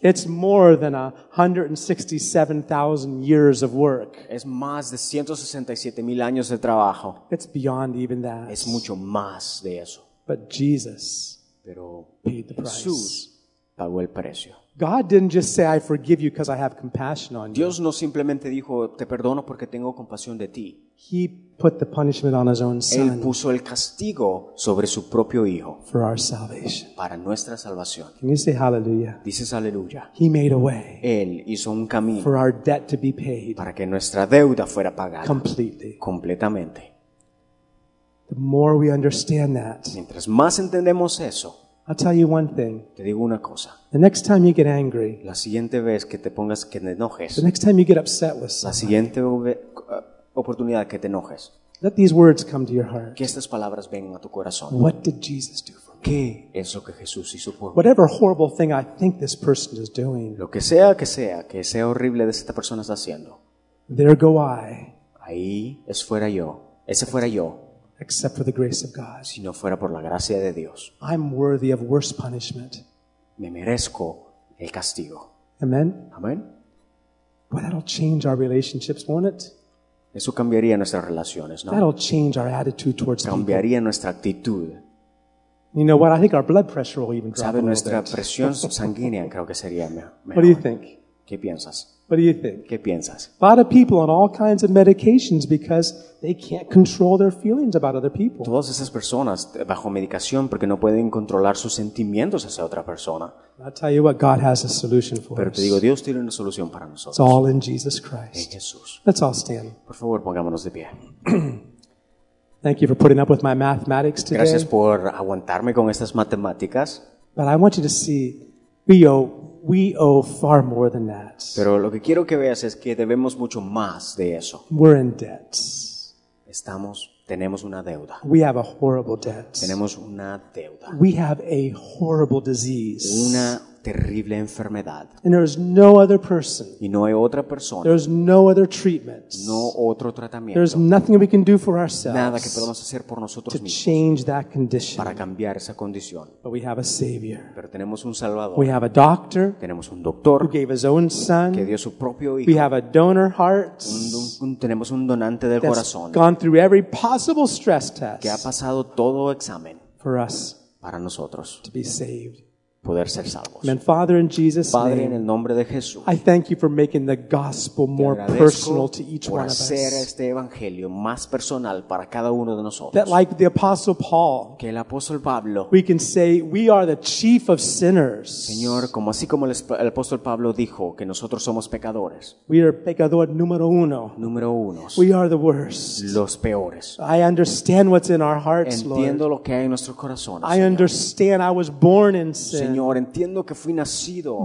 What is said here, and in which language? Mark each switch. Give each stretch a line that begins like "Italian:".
English: It's more than 167,000 years of work.
Spanish: Es más de 167,000 años de trabajo.
English: It's beyond even that.
Spanish: Es mucho más de eso.
English: But Jesus,
Spanish: pero
English: paid the price.
Spanish: Jesús pagó el precio.
English: God didn't just say, "I forgive you because I have compassion on you."
Spanish: Dios no simplemente dijo, "Te perdono porque tengo compasión de ti."
English: He put the punishment on his own son.
Spanish: Él puso el castigo sobre su propio hijo.
English: For our salvation.
Spanish: Para nuestra salvación.
English: Can you say hallelujah?
Spanish: Dices aleluya.
English: He made a way.
Spanish: Él hizo un camino.
English: For our debt to be paid.
Spanish: Para que nuestra deuda fuera pagada.
English: Completely.
Spanish: Completamente.
English: The more we understand that.
Spanish: Mientras más entendemos eso.
English: I'll tell you one thing.
Spanish: Te digo una cosa.
English: The next time you get angry.
Spanish: La siguiente vez que te pongas que te enojes.
English: The next time you get upset with somebody.
Spanish: La siguiente oportunidad que te enojes.
English: Let these words come to your heart.
Spanish: Que estas palabras vengan a tu corazón.
English: What did Jesus do for me?
Spanish: ¿Qué es lo que Jesús hizo por mí?
English: Whatever horrible thing I think this person is doing.
Spanish: Lo que sea que sea, que sea horrible de esta persona está haciendo.
English: There go I.
Spanish: Ahí es fuera yo. Ese fuera yo.
English: Except for the grace of God.
Spanish: Si no fuera por la gracia de Dios.
English: I'm worthy of worse punishment.
Spanish: Me merezco el castigo.
English: Amen.
Spanish: Amen.
English: Well, that'll change our relationships, won't it?
Spanish: Eso cambiaría nuestras relaciones, ¿no?
English: That'll change our attitude towards
Spanish: cambiaría
English: people.
Spanish: Nuestra actitud.
English: You know what? I think our blood pressure will even drop.
Spanish: ¿Sabe
English: a
Spanish: nuestra
English: little bit.
Spanish: Presión sanguínea creo que sería mejor.
English: What do you think?
Spanish: ¿Qué piensas?
English: What do you think?
Spanish: ¿Qué piensas?
English: A lot of people on all kinds of medications because they can't control their feelings about other people.
Spanish: Todas esas personas bajo medicación porque no pueden controlar sus sentimientos hacia otra persona.
English: I'll tell you what, God has a solution for us.
Spanish: Pero te digo, Dios tiene una solución para nosotros.
English: It's all in Jesus Christ.
Spanish: En Jesús.
English: Let's all stand.
Spanish: Por favor, pongámonos de pie.
English: Thank you for putting up with my mathematics today.
Spanish: Gracias por aguantarme con estas matemáticas.
English: But I want you to see, we owe far more than that.
Spanish: Pero lo que quiero que veas es que debemos mucho más de eso.
English: We're in debts.
Spanish: Tenemos una deuda.
English: We have a horrible debt.
Spanish: Tenemos una deuda.
English: We have a horrible disease.
Spanish: Una terrible enfermedad.
English: And there is no other person.
Spanish: Y no hay otra persona.
English: There is no other treatment.
Spanish: No otro tratamiento.
English: There is nothing we can do for ourselves.
Spanish: Nada que podamos hacer por nosotros mismos.
English: To change that condition.
Spanish: Para cambiar esa condición.
English: But we have a Savior.
Spanish: Pero tenemos un Salvador.
English: We have a doctor.
Spanish: Tenemos un doctor.
English: Who gave his own son.
Spanish: Que dio su propio hijo.
English: We have a donor heart.
Spanish: Tenemos un donante del corazón.
English: That's gone through every possible stress test.
Spanish: Que ha pasado todo examen.
English: For us.
Spanish: Para nosotros.
English: To be saved.
Spanish: Poder ser salvos.
English: And Father, in Jesus' name,
Spanish: Padre, en el nombre de Jesús,
English: I thank you for making the gospel more personal to each one of us.
Spanish: Por hacer este evangelio más personal para cada uno de nosotros.
English: That like the Apostle Paul,
Spanish: que el apóstol Pablo,
English: we can say we are the chief of sinners.
Spanish: Señor, como así como el apóstol Pablo dijo que nosotros somos pecadores.
English: We are
Spanish: pecador número uno. Número uno.
English: We are the worst.
Spanish: Los peores.
English: I understand what's in our hearts,
Spanish: Entiendo
English: Lord.
Spanish: Entiendo lo que hay en nuestros corazones.
English: I understand I was born in sin.
Spanish: Señor, entiendo que fui nacido